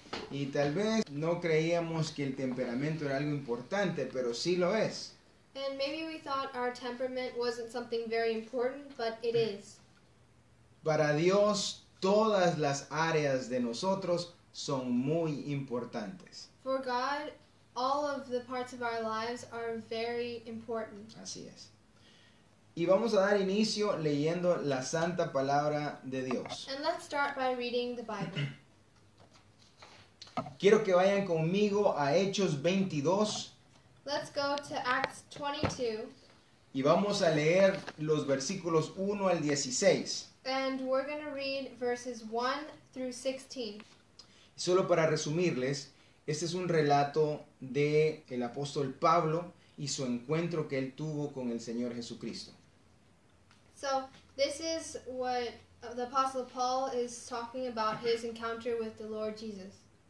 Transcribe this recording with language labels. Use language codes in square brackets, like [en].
[es] Y tal vez no creíamos que el temperamento era algo importante, pero sí lo es. [en] And maybe we thought our temperament wasn't something very important, but it is. [es] Para Dios, todas las áreas de nosotros son muy importantes. [en] For God, all of the parts of our lives are very important. [es] Así es. Y vamos a dar inicio leyendo la Santa Palabra de Dios. [en] And let's start by reading the Bible. [es] Quiero que vayan conmigo a Hechos 22. [en] Let's go to Acts 22. [es] Y vamos a leer los versículos 1 al 16. [en] And we're going to read verses 1 through 16. [es] Solo para resumirles, este es un relato del apóstol Pablo y su encuentro que él tuvo con el Señor Jesucristo. [en] So, this is what the Apostle Paul is talking about, his encounter with the Lord Jesus.